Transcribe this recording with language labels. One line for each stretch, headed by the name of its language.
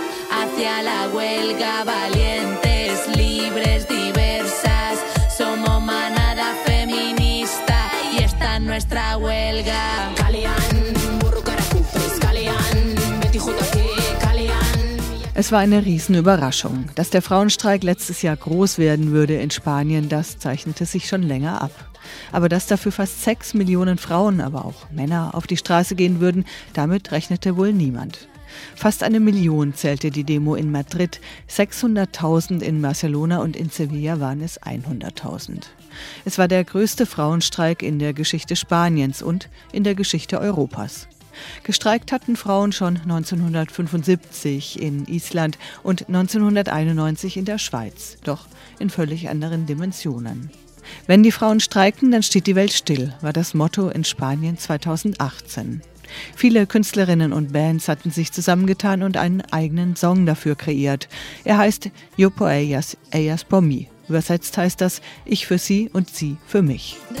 Spanish: hacia la huelga, valientes, libres, diversas. Somos manada feminista y esta es nuestra huelga.
German: Es war eine Riesenüberraschung. Dass der Frauenstreik letztes Jahr groß werden würde in Spanien, das zeichnete sich schon länger ab. Aber dass dafür fast 6 Millionen Frauen, aber auch Männer, auf die Straße gehen würden, damit rechnete wohl niemand. Fast 1 Million zählte die Demo in Madrid, 600.000 in Barcelona und in Sevilla waren es 100.000. Es war der größte Frauenstreik in der Geschichte Spaniens und in der Geschichte Europas. Gestreikt hatten Frauen schon 1975 in Island und 1991 in der Schweiz, doch in völlig anderen Dimensionen. Wenn die Frauen streiken, dann steht die Welt still, war das Motto in Spanien 2018. Viele Künstlerinnen und Bands hatten sich zusammengetan und einen eigenen Song dafür kreiert. Er heißt
Spanish: Yo por ellas, ellas por mí.
German: Übersetzt heißt das Ich für sie und sie für mich.